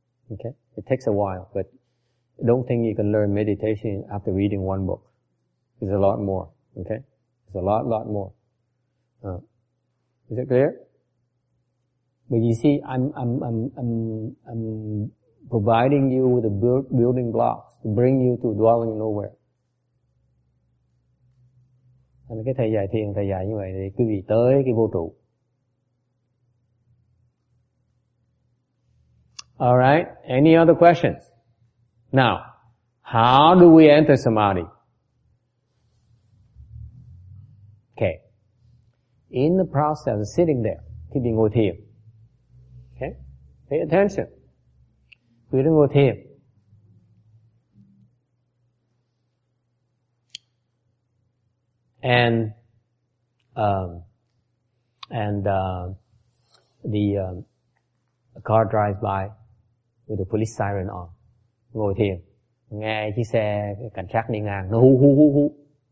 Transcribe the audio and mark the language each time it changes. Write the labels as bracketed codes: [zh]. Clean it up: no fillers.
[en] Okay, it takes a while, but don't think you can learn meditation after reading one book. There's a lot more. Okay, there's a lot more. Is it clear? But you see, I'm providing you with the building blocks to bring you to dwelling nowhere. [vi] Anh cái thầy dạy thiền, thầy dạy như vậy thì quý vị tới cái vô trụ. [en] All right, any other questions? Now, how do we enter samadhi? Okay. In the process of sitting there, [vi] khi đi ngồi thiền, [en] okay, pay attention. [vi] Khi đi ngồi thiền, [en] and a car drives by with the police siren on. [vi] Ngồi thiền, nghe chiếc xe cảnh sát đi ngang, nó hú hú hú hú.